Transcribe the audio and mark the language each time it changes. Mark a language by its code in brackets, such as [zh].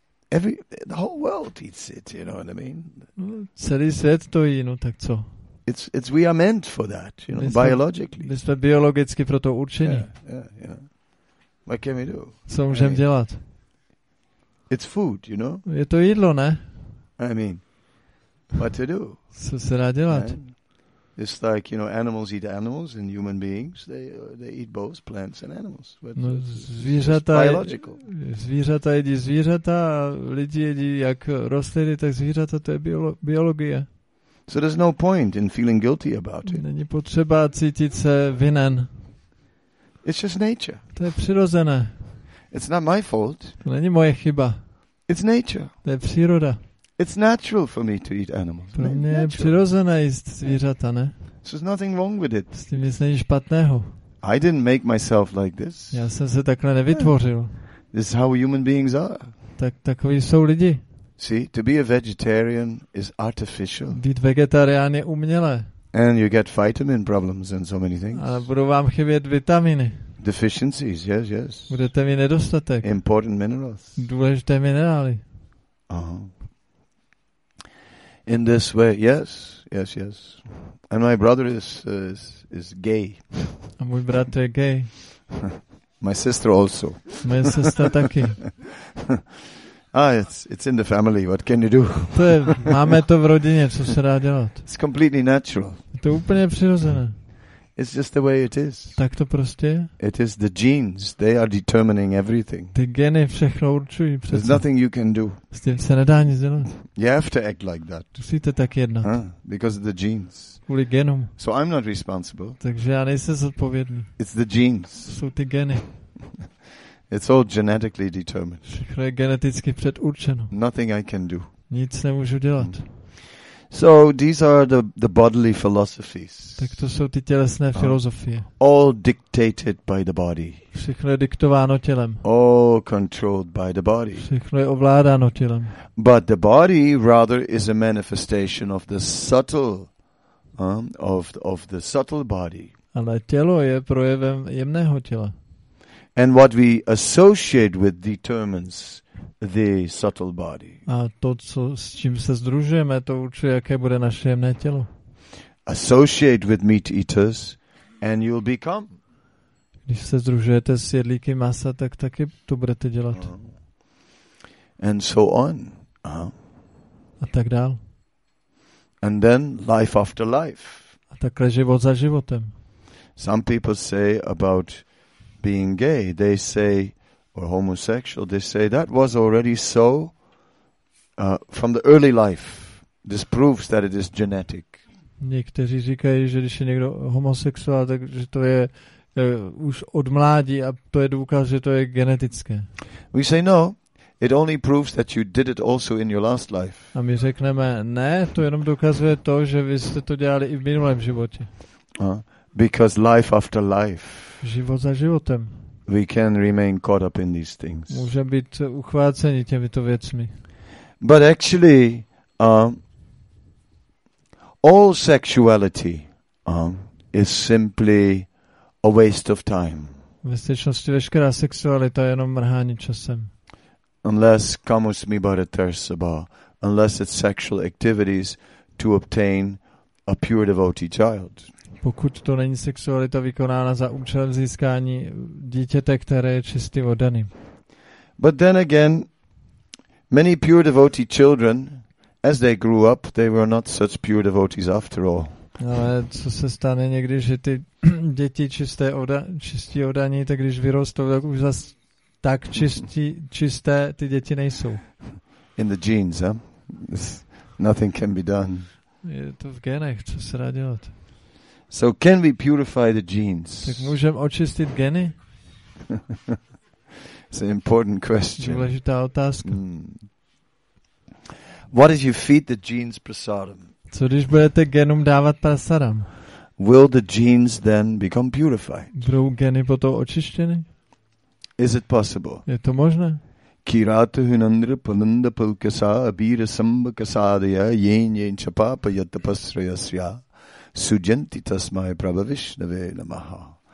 [en] The whole world eats it, you know what I mean? [cs] Celý svět to jí, no tak co? [en] It's we are meant for that, you know, biologically. [cs] My jsme biologicky pro to určení. [en] What can we do? [cs] Co můžeme dělat? [en] It's food, you know? [cs] Je to jídlo, ne? [en] I mean, what to do? [cs] Co se dá dělat? [en] It's like, you know, animals eat animals and human beings, they eat both plants and animals. [cs] No, zvířata, [en] it's biological. [cs] Zvířata jedí zvířata a lidi jedí jak rostliny, tak zvířata, to je biologie. [en] So there's no point in feeling guilty about it. [cs] Není potřeba cítit se vinen. [en] It's just nature. [cs] To je přirozené. [en] It's not my fault. [cs] To není moje chyba. [en] It's nature. [cs] To je příroda. [en] It's natural for me to eat animals. [cs] Pro mě je přirozené jíst zvířata, ne? [en] So there's nothing wrong with it. [cs] S tím nic není špatného. [en] I didn't make myself like this. [cs] Já jsem se takhle nevytvořil. [en] This is how human beings are. [cs] Tak takoví jsou lidi. [en] See, to be a vegetarian is artificial. [cs] Být vegetarián je umělé. [en] And you get vitamin problems and so many things. [cs] A budou vám chybět vitaminy. [en] Deficiencies, yes. [cs] Budete mít nedostatek. [en] Important minerals. [cs] Důležité minerály. Aha. [en] In this way, yes. And my brother is gay. [cs] A můj bratr je gay. [en] My sister also. [cs] Moje sestra taky. [en] it's in the family. What can you do? [cs] To je, máme to v rodině, co se dá dělat. [en] It's completely natural. [cs] Je to úplně přirozené. [en] It's just the way it is. [cs] Tak to prostě je. [en] It is the genes. They are determining everything. [cs] Ty geny všechno určují. Přece. [en] There's nothing you can do. [cs] S tím se nedá nic dělat. [en] You have to act like that. [cs] Musíte tak jednat. [en] Because of the genes. [cs] Kvůli genům. [en] So I'm not responsible. [cs] Takže já nejsem zodpovědný. [en] It's the genes. [cs] Jsou ty geny. [en] It's all genetically determined. [cs] Všechno je geneticky předurčeno. [en] Nothing I can do. [cs] Nic nemůžu dělat. [en] So these are the bodily philosophies. [cs] Tak to jsou ty tělesné filozofie. [en] All dictated by the body. [cs] Všechno je diktováno tělem. [en] All controlled by the body. [cs] Všechno je ovládáno tělem. [en] But the body rather is a manifestation of the subtle of the subtle body. [cs] Ale tělo je projevem jemného těla. [en] And what we associate with determines the subtle body. [cs] A to, co, s čím se združujeme, to určuje, jaké bude naše jemné tělo. [en] Associate with meat eaters and you'll become. [cs] Když se združujete s jedlíky masa, tak taky to budete dělat. [en] And so on. [cs] A tak dál. [en] And then life after life. [cs] A takhle život za životem. [en] Some people say about being gay, they say, or homosexual, they say that was already so from the early life. This proves that it is genetic. [cs] Někteří říkají, že když je někdo homosexuál, takže to je už od mládí a to je důkaz, že to je genetické. [en] We say no, it only proves that you did it also in your last life. [cs] A my řekneme ne, to jenom dokazuje to, že vy jste to dělali i v minulém životě. [en] Because life after life. [cs] Život za životem. [en] We can remain caught up in these things. [cs] Můžeme být uchváceni těmito věcmi. [en] But actually, all sexuality is simply a waste of time. [cs] Ve skutečnosti veškerá sexualita je jenom mrhání časem. [en] Unless [sa] kamus mi bara tersaba, [en] unless it's sexual activities to obtain a pure devotee child. [cs] Pokud to není sexualita vykonána za účelem získání dítěte, které je čistě oddaným. [en] But then again, many pure devotee children, as they grew up, they were not such pure devotees after all. [cs] Ale co se stane někdy, že ty děti čisté čistí oddaní, tak když vyrostou, tak už zas tak čisté ty děti nejsou. [en] In the genes, nothing can be done. [cs] Je to v genech, co se dá dělat. [en] So can we purify the genes? [cs] Tak můžeme očistit geny? [en] It's an important question. [cs] Důležitá otázka. [en] What if you feed the genes prasadam? [cs] Co když budete genům dávat prasadam? [en] Will the genes then become purified? [cs] Budou geny potom očištěny? [en] Is it possible? [cs] Je to možné? [sa] Kiratu hunandra palanda pulkasa abira sambakasadaya yen yen chapapa yatapasrayasya sujanti tasmai prabhavishnave namaha.